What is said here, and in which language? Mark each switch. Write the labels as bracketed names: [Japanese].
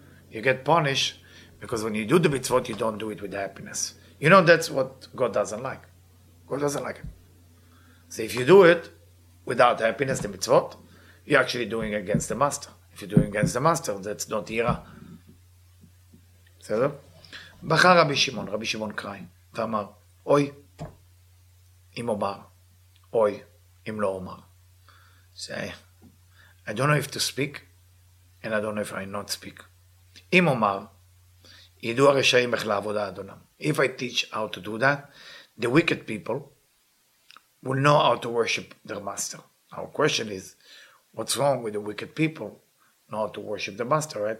[English] You get punished because when you do the mitzvot, you don't do it with happiness. You know, that's what God doesn't like. God doesn't like it. So if you do it without happiness, the mitzvot, you're actually doing it against the master. If you're doing it against the master, that's not ira. [Hebrew] בסדר? בחר רבי שמעון, רבי שמעון קראי, ואמר, אוי, אם אומר, אוי, אם לא אומר. [English] Say, I don't know if to speak, and I don't know if I not speak. [Hebrew] אם אומר, ידעו הרשעים איך לעבודה אדונם. [English] If I teach how to do that, the wicked people will know how to worship their master. Our question is, what's wrong with the wicked people know how to worship the master, right?